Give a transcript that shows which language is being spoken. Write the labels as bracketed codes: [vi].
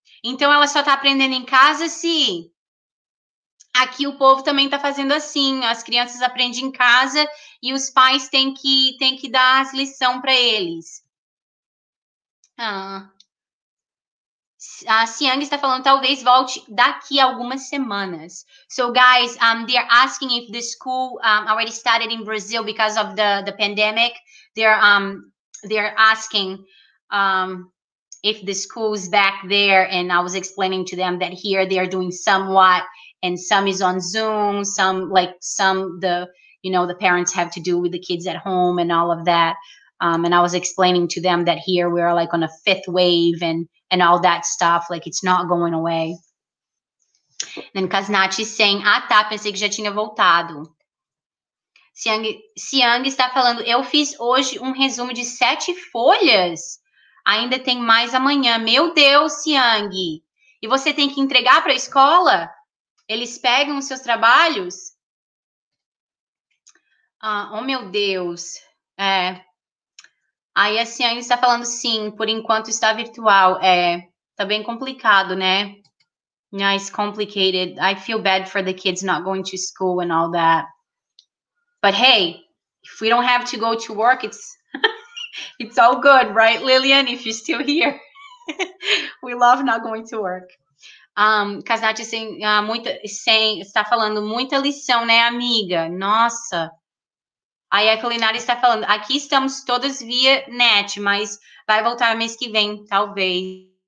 [pt] Então, ela só tá aprendendo em casa, sim? Aqui o povo também está fazendo assim, as crianças aprendem em casa e os pais têm que dar as lições para eles. A Siang está falando, talvez volte daqui algumas semanas. [en] So guys, they're asking if the school already started in Brazil because of the pandemic. They're asking if the school's back there, and I was explaining to them that here they are doing somewhat. And some is on Zoom, the parents have to do with the kids at home and all of that. And I was explaining to them that here we are like on a fifth wave and all that stuff, like it's not going away. And Kasnat saying, [pt] ah tá, pensei que já tinha voltado. Siang está falando, eu fiz hoje resumo de 7 folhas. Ainda tem mais amanhã. Meu Deus, Siang. E você tem que entregar para a escola? Eles pegam os seus trabalhos? Ah, oh, meu Deus. É. Aí a Ciane está falando sim, por enquanto está virtual. É, tá bem complicado, né? [en] It's complicated. I feel bad for the kids not going to school and all that. But hey, if we don't have to go to work, it's all good, right, Lillian? If you're still here. We love not going to work. [pt] Kasnat está falando muita lição, né, amiga? Nossa! Aí a culinária está falando, aqui estamos todas via net, mas vai voltar mês que vem, talvez.